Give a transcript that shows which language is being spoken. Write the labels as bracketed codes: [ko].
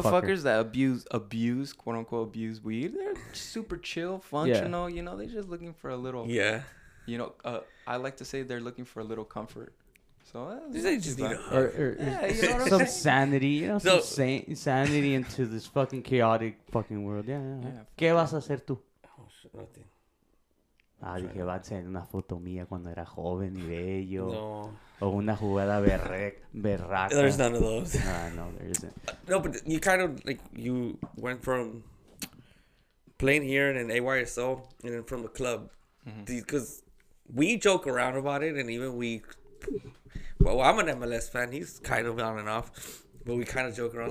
[en] motherfuckers that abuse, quote-unquote, abuse weed, they're super chill, functional, you know, they're just looking for a little... Yeah. You know, I like to say they're looking for a little comfort. So they just need some sanity, you know, sanity into this fucking chaotic fucking world. [es] Yeah. ¿Qué vas a hacer tú? [en] Nothing. [es] Dije, va a hacer una foto mía cuando era joven y bello. No. O una jugada berraca. [en] There's none of those. No, there isn't. No, but you kind of, like, you went from playing here in an AYSO and then from the club. Because we joke around about it and even we... Well, I'm an MLS fan. He's kind of on and off. But we kind of joke around.